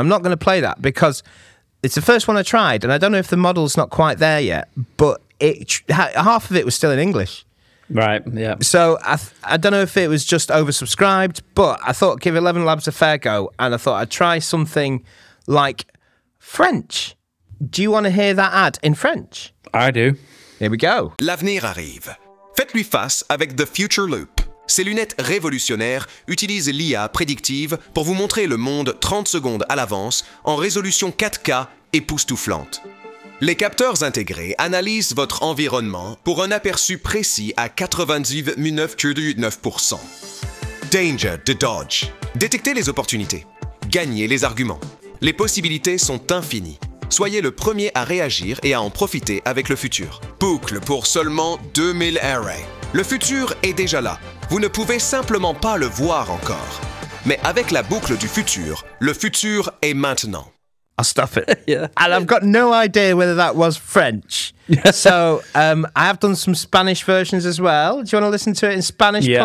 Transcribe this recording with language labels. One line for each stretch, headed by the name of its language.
English: I'm not going to play that because it's the first one I tried and I don't know if the model's not quite there yet, but it half of it was still in English. Right, yeah. So I don't know if it was just oversubscribed, but I thought give 11 Labs a fair go and I thought I'd try something like French. Do you want to hear that ad in French? I do. Here we go.
French: L'avenir arrive. Faites-lui face avec The Future Loop. Ces lunettes révolutionnaires utilisent l'IA prédictive pour vous montrer le monde 30 secondes à l'avance en résolution 4K époustouflante. Les capteurs intégrés analysent votre environnement pour un aperçu précis à 99,9%.
English: Danger to dodge.
French: Détectez les opportunités. Gagnez les arguments. Les possibilités sont infinies. Soyez le premier à réagir et à en profiter avec le futur. Boucle pour seulement 2000 RA. Le futur est déjà là. Vous ne pouvez simplement pas le voir encore. Mais avec la boucle du futur, le futur est maintenant.
English: I'll stop it. Yeah. And I've got no idea whether that was French. So I have done some Spanish versions as well. Do you want to listen to it in Spanish, yeah.